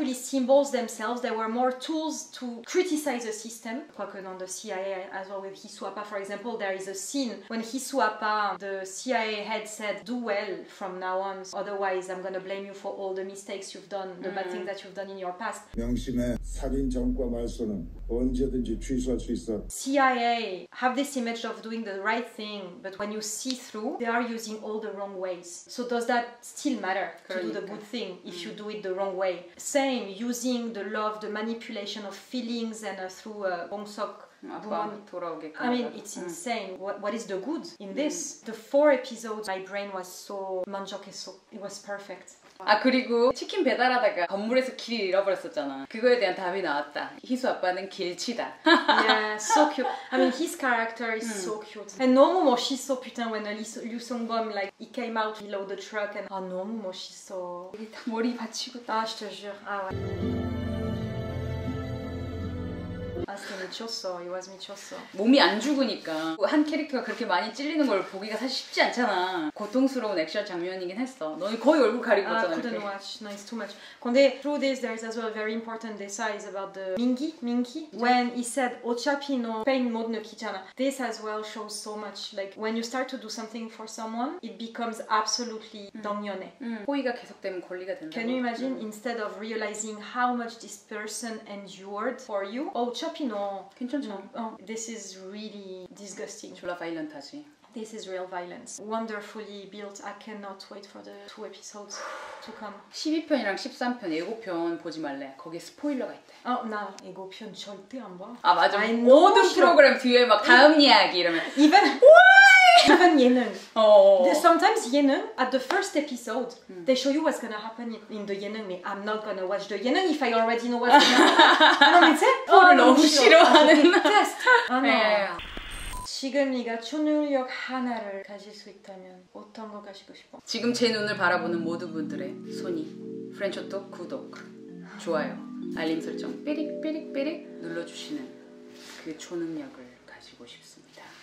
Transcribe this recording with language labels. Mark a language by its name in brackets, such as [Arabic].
[English] really symbols themselves. They were more tools to criticize the system. [French] Quoique dans le CIA, [English] as well with Hiswapa, for example, there is a scene when Hiswapa, the CIA head, said, "Do well from now on, otherwise I'm going to blame you for all the mistakes you've done, the bad things that you've done in your past." [Korean] 명심해. 살인 전과 말소는 언제든지 취소할 수 있어. [English] CIA have this image of doing the right thing, but when you see through, they are using all the wrong ways. So does that still matter to 그러니까. Do the good thing if you do it the wrong way? Same, using the love, the manipulation of feelings and through a bongsok. I mean, it's insane. What is the good in this? The four episodes, my brain was so 만족했어. It was perfect. [Korean] 아 그리고 치킨 배달하다가 건물에서 길 잃어버렸었잖아. 그거에 대한 답이 나왔다. 희수 아빠는 길치다. [English] Yeah, so cute. I mean, his character is so cute. And [Korean] 너무 멋있어, [English] 피탄, when Lee Seung-bum like he came out below the truck and [Korean] 아 너무 멋있어. 이게 다 머리 받치고 [French] 아, je te jure. 아, 와. [Korean] 아스 미쳤어. 이와 미쳤어. 몸이 안 죽으니까 한 캐릭터가 그렇게 많이 찔리는 걸 보기가 사실 쉽지 않잖아. 고통스러운 액션 장면이긴 했어. 너는 거의 얼굴 가리고 있잖아. [English] I couldn't watch. No, it's too much. 근데 through this, there is as well a very important decision about the 민기? [Korean] 민기? [English] When he said [Korean] 어차피 너 페인 못 느끼잖아. [English] This as well shows so much. Like when you start to do something for someone, it becomes absolutely 당연해. [Korean] 호의가 계속되면 권리가 된다. [English] Can you imagine instead of realizing how much this person endured for you? [Korean] 어차피 No. 괜찮죠? [English] No. Oh, this is really disgusting. [Korean] 졸라 violent하지. [English] This is real violence. Wonderfully built. I cannot wait for the two episodes to come. [Korean] 12편이랑 13편 예고편 보지 말래. 거기에 스포일러가 있대. 어, 나 예고편 절대 안 봐. 아, 맞아. 모든 프로그램 뒤에 막 다음 이야기 이러면. [English] Even why? Even 예능. [Korean] 어. [English] There sometimes 예능 at the first episode they show you what's gonna happen in the 예능. Me, I'm not gonna watch the 예능 if I already know what's gonna happen. [Korean] 그럼 이제 프로를 너무 싫어하는. 테스트. 아, 네. 지금 네가 초능력 하나를 가질 수 있다면 어떤 거 가지고 싶어? 지금 제 눈을 바라보는 모든 분들의 손이 프렌치호떡 구독, 좋아요, 알림 설정 삐릭삐릭삐릭 눌러주시는 그 초능력을 가지고 싶습니다.